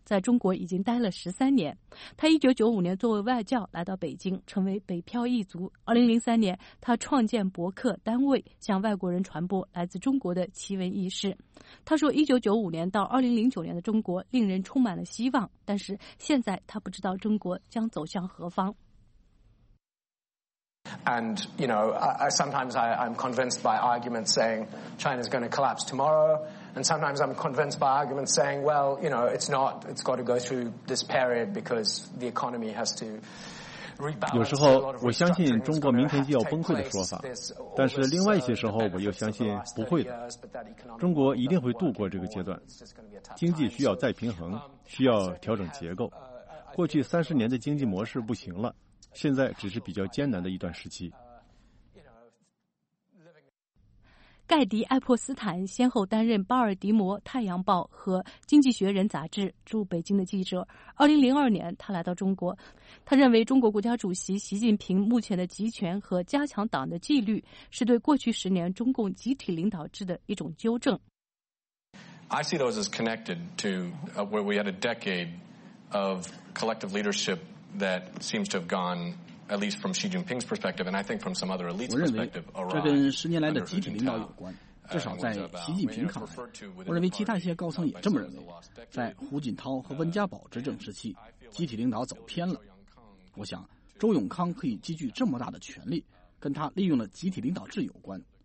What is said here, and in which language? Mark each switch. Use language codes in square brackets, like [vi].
[zh] 在中国已经待了13年。他1995年作为外教来到北京，成为北漂一族。 2003年，他创建博客单位，向外国人传播来自中国的奇闻异事。他说，1995年到2009年的中国令人充满了希望，但是现在他不知道中国将走向何方。 [en] And you know, I'm convinced by arguments saying China's going to collapse tomorrow. And sometimes I'm convinced by arguments saying, well, you know, it's not. It's got to go through this period because the economy has to rebalance. [zh] 有时候我相信中国明天就要崩溃的说法，但是另外一些时候我又相信不会的。中国一定会度过这个阶段。经济需要再平衡，需要调整结构。过去30年的经济模式不行了，现在只是比较艰难的一段时期。盖迪·爱泼斯坦先后担任巴尔的摩《太阳报》和《经济学人》杂志驻北京的记者。 2002年，他来到中国，他认为中国国家主席习近平目前的集权和加强党的纪律，是对过去10年中共集体领导制的一种纠正。 [en] I see those as connected to where we had a decade of collective leadership that seems to have gone. At least from Xi Jinping's perspective, and I think from some other elite's perspective, Iran. [zh] 这跟十年来的集体领导有关，至少在习近平看来。我认为其他一些高层也这么认为。在胡锦涛和温家宝执政时期，集体领导走偏了。我想，周永康可以积聚这么大的权力，跟他利用了集体领导制有关。